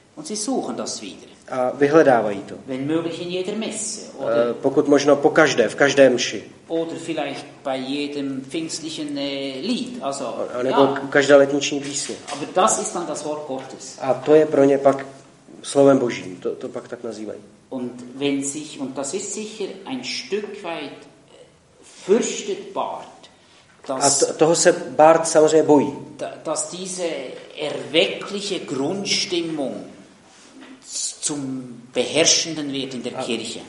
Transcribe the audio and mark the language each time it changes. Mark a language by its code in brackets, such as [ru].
[de] Und sie suchen das wieder. [cs] A vyhledávají to. [de] Wenn möglich in jeder Messe, [cs] oder pokud možno po každé, v každé mši. [de] Oder vielleicht bei jedem pfingstlichen Lied, also, [cs] nebo ja. Každá letniční písně. [de] Aber das ist dann das Wort Gottes. [cs] A to je pro ně pak slovem Božím, to pak tak nazývají. [de] Und wenn sich, und das ist sicher ein Stück weit fürchtbar, [cs] dass, a toho se Bart samozřejmě bojí. [de] Dass diese erweckliche Grundstimmung zum beherrschenden wird in der Kirche.